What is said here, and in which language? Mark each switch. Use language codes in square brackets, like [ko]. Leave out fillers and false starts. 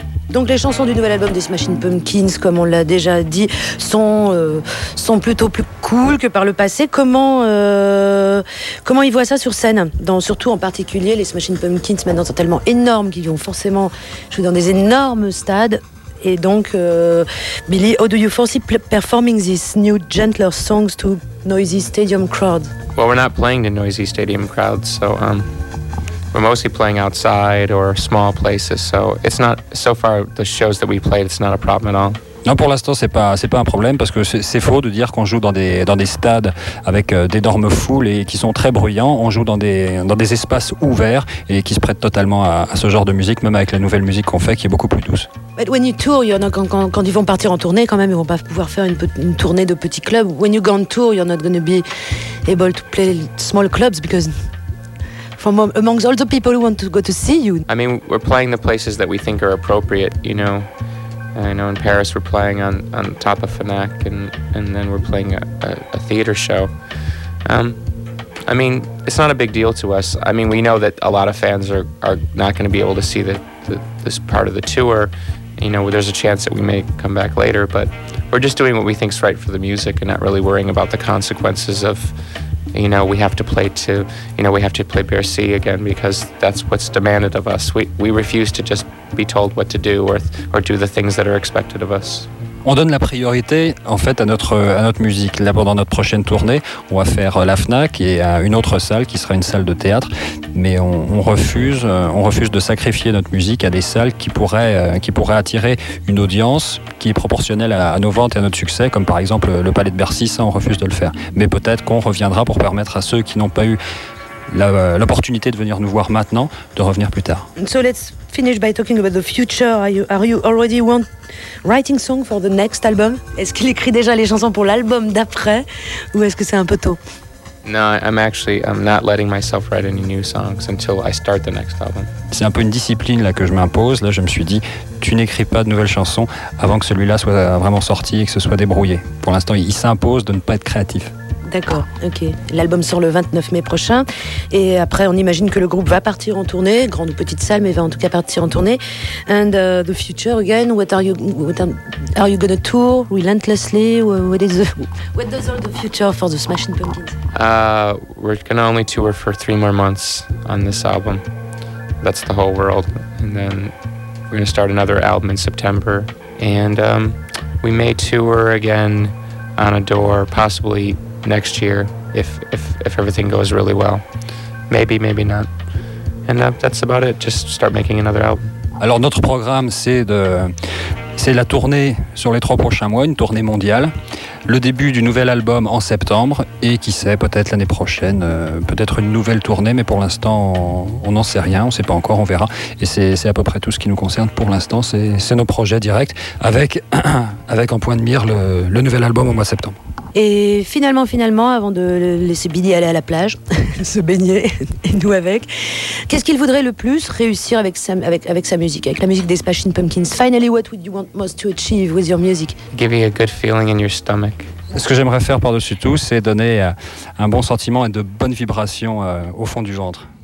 [fr] Donc les chansons du nouvel album des Smashing Pumpkins, comme on l'a déjà dit, sont plutôt plus cool que par le passé. Comment ils voient ça sur scène, surtout en particulier les Smashing Pumpkins, maintenant sont tellement énormes qu'ils vont forcément jouer dans des énormes stades. Et donc, [en] Billy, how do you foresee performing these new gentler songs to noisy stadium crowds? Well, we're not playing to noisy stadium crowds, so... We're mostly playing outside or small places, so it's not so far the shows that we played. It's not a problem at all. [fr] Non, pour l'instant, c'est pas un problème parce que c'est faux de dire qu'on joue dans des stades avec d'énormes foules et qui sont très bruyants. On joue dans des espaces ouverts et qui se prêtent totalement à ce genre de musique, même avec la nouvelle musique qu'on fait, qui est beaucoup plus douce. [en] But when you tour, you're not [fr] quand ils vont partir en tournée, quand même, ils vont pas pouvoir faire une tournée de petits clubs. [en] When you go on tour, you're not going to be able to play small clubs because amongst all the people who want to go to see you. I mean, we're playing the places that we think are appropriate, you know. I know in Paris we're playing on top of Fnac and then we're playing a theater show. I mean, it's not a big deal to us. I mean, we know that a lot of fans are not going to be able to see this part of the tour. You know, there's a chance that we may come back later, but we're just doing what we think's right for the music and not really worrying about the consequences of... You know, we have to play to, you know, we have to play Bercy again because that's what's demanded of us. We refuse to just be told what to do or do the things that are expected of us. [fr] On donne la priorité, en fait, à notre musique. Là, pendant notre prochaine tournée, on va faire la Fnac et à une autre salle qui sera une salle de théâtre. Mais on refuse de sacrifier notre musique à des salles qui pourraient attirer une audience qui est proportionnelle à nos ventes et à notre succès, comme par exemple le Palais de Bercy. Ça, on refuse de le faire. Mais peut-être qu'on reviendra pour permettre à ceux qui n'ont pas eu l'opportunité de venir nous voir maintenant de revenir plus tard. [en] So let's finish by talking about the future. Are you already writing song for the next album? [fr] Est-ce qu'il écrit déjà les chansons pour l'album d'après ou est-ce que c'est un peu tôt? [en] No, I'm not letting myself write any new songs until I start the next album. [fr] C'est un peu une discipline là que je m'impose. Là, je me suis dit, tu n'écris pas de nouvelles chansons avant que celui-là soit vraiment sorti et que ce soit débrouillé. Pour l'instant, il s'impose de ne pas être créatif. D'accord, ok. L'album sort le 29 mai prochain. Et après, on imagine que le groupe va partir en tournée, grande ou petite salle, mais va en tout cas partir en tournée. [en] And the future again, what are you going to tour relentlessly? What does all the future for the Smashing Pumpkins? We're going to only tour for 3 more months on this album. That's the whole world. And then we're going to start another album in September. And we may tour again on a door, possibly... next year if everything goes really well, maybe not, and that's about it. Just start making another album. [fr] Alors notre programme c'est la tournée sur les 3 prochains mois, une tournée mondiale, le début du nouvel album en septembre, et qui sait, peut-être l'année prochaine, peut-être une nouvelle tournée, mais pour l'instant on n'en sait rien, on ne sait pas encore, on verra. Et c'est à peu près tout ce qui nous concerne pour l'instant, c'est nos projets directs avec en point de mire le nouvel album au mois de septembre. Et finalement, avant de laisser Billy aller à la plage, se baigner, et nous avec, qu'est-ce qu'il voudrait le plus réussir avec sa musique, avec la musique des Smashing Pumpkins? [en] Finally, what would you want most to achieve with your music? Give you a good feeling in your stomach. [fr] Ce que j'aimerais faire par-dessus tout, c'est donner un bon sentiment et de bonnes vibrations au fond du ventre.